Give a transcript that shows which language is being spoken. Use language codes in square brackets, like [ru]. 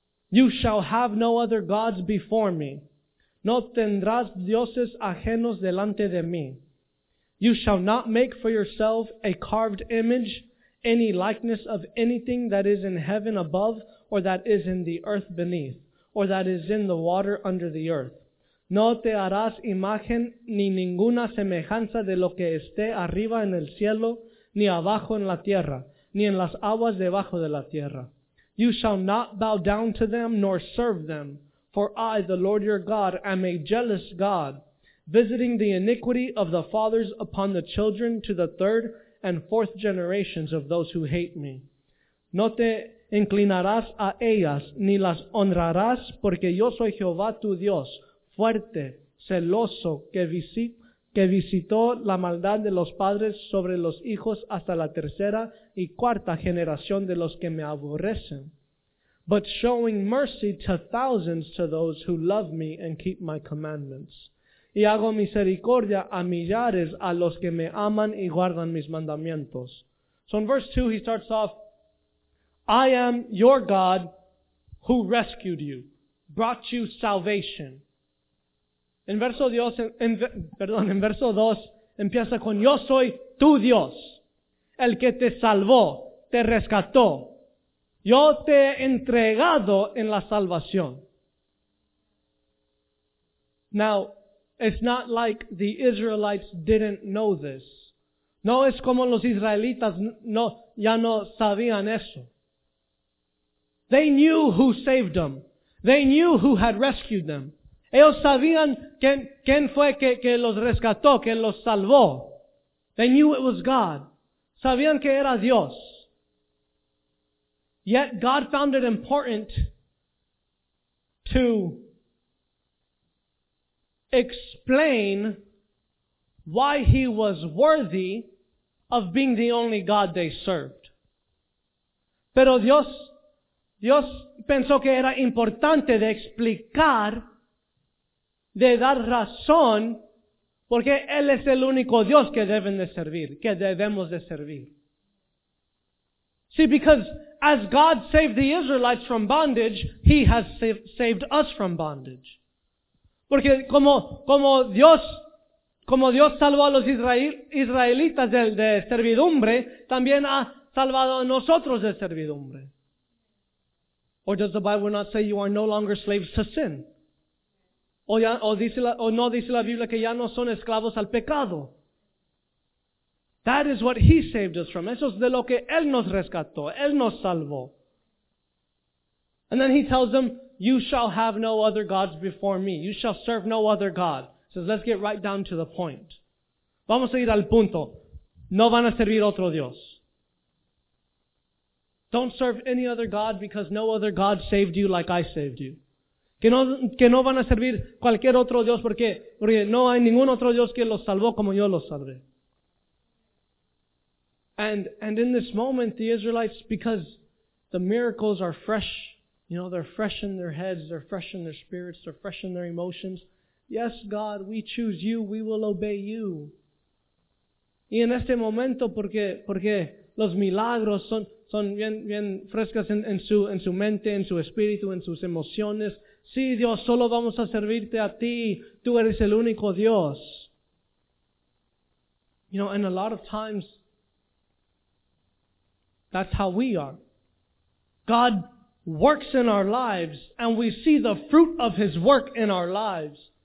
[en] You shall have no other gods before me. [es] No tendrás dioses ajenos delante de mí. [en] You shall not make for yourself a carved image, any likeness of anything that is in heaven above, or that is in the earth beneath, or that is in the water under the earth. [es] No te harás imagen ni ninguna semejanza de lo que esté arriba en el cielo, ni abajo en la tierra, ni en las aguas debajo de la tierra. [en] You shall not bow down to them nor serve them. For I, the Lord your God, am a jealous God, visiting the iniquity of the fathers upon the children to the third and fourth generations of those who hate me. [es] No te inclinarás a ellas, ni las honrarás, porque yo soy Jehová tu Dios, fuerte, celoso, que visitó la maldad de los padres sobre los hijos hasta la tercera y cuarta generación de los que me aborrecen. [en] But showing mercy to thousands to those who love me and keep my commandments. [es] Y hago misericordia a millares a los que me aman y guardan mis mandamientos. [en] So in verse 2 he starts off, I am your God who rescued you, brought you salvation. [es] En verso 2 empieza con, yo soy tu Dios, el que te salvó, te rescató. Yo te he entregado en la salvación. [en] Now, it's not like the Israelites didn't know this. [es] No es como los israelitas ya no sabían eso. [en] They knew who saved them. They knew who had rescued them. [es] Ellos sabían quién fue que los rescató, que los salvó. [en] They knew it was God. [es] sabían que era Dios. [en] Yet God found it important to explain why he was worthy of being the only God they served. [es] Pero Dios pensó que era importante de explicar, de dar razón, porque él es el único Dios que deben de servir, que debemos de servir. [en] See, because as God saved the Israelites from bondage, he has saved us from bondage. [es] Porque como Dios salvó a los israelitas de servidumbre, también ha salvado a nosotros de servidumbre. [en] Or does the Bible not say you are no longer slaves to sin? [es] ¿O no dice la Biblia que ya no son esclavos al pecado? [en] That is what he saved us from. [es] Eso es de lo que él nos rescató. Él nos salvó. [en] And then he tells them, you shall have no other gods before me. You shall serve no other god. He says, let's get right down to the point. [es] Vamos a ir al punto. No van a servir otro Dios. [en] Don't serve any other god because no other god saved you like I saved you. [es] Que no van a servir cualquier otro Dios porque no hay ningún otro Dios que los salvó como yo los salvé. [en] And in this moment, the Israelites, because the miracles are fresh, you know, they're fresh in their heads, they're fresh in their spirits, they're fresh in their emotions. Yes, God, we choose you, we will obey you. [es] Y en este momento, porque los milagros son bien frescas en su mente, en su espíritu, en sus emociones. Sí, Dios, solo vamos a servirte a ti. Tú eres el único Dios. [en] You know, and a lot of times, that's how we are. God works in our lives, and we see the fruit of his work in our lives.